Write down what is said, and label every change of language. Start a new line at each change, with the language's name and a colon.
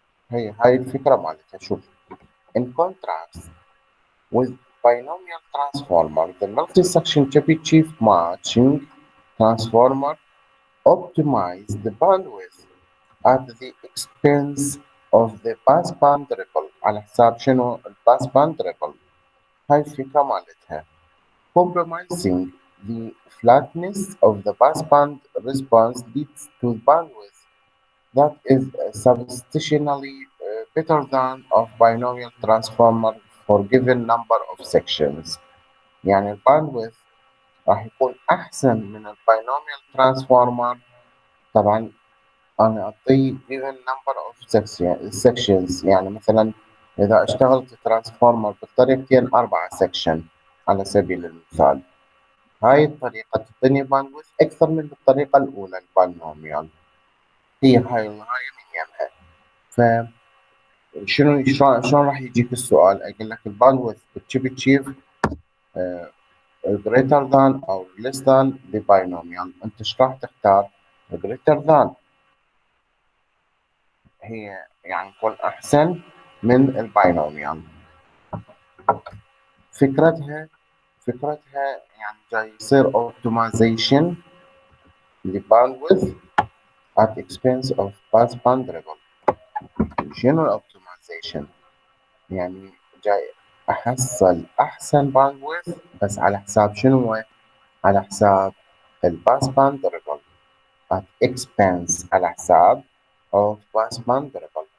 Arabic: هاي الفكرة مالتها. شوف
English: in contrast with binomial transformer the multi section Chebyshev matching transformer optimize the bandwidth at the expense of the passband ripple.
Arabic: على حساب شنو الباسباند ريبل؟ هاي الفكرة مالتها.
English: Compromising the flatness of the passband response leads to bandwidth that is substantially better than of binomial transformer for given number of sections.
Arabic: يعني الباندويث راح يكون أحسن من الباينوميال ترانسفورمر. طبعا أنا أعطيه
English: given number of sections،
Arabic: يعني مثلا إذا اشتغلت ترانسفورمر بطريقتين أربعة سكشن على سبيل المثال، هاي الطريقة تعطيني باندويث أكثر من الطريقة الأولى البانوميال، هي هاي الغاية من يمها. ف شنو شلون راح يجيك السؤال؟ أقول لك الباندويث بالتشيبي تشيف
English: greater than أو less than the binomial.
Arabic: أنت إيش راح تختار؟
English: greater than
Arabic: هي يعني تكون أحسن من البينوميال. فكرتها يعني جاي يصير optimization لباندويث
English: at expense of path ponderable.
Arabic: شنو الاوبتمايزيشن؟ يعني جاي احصل احسن باندويث بس على حساب شنو؟ على حساب الباث ponderable
English: at expense
Arabic: على حساب
English: of path ponderable.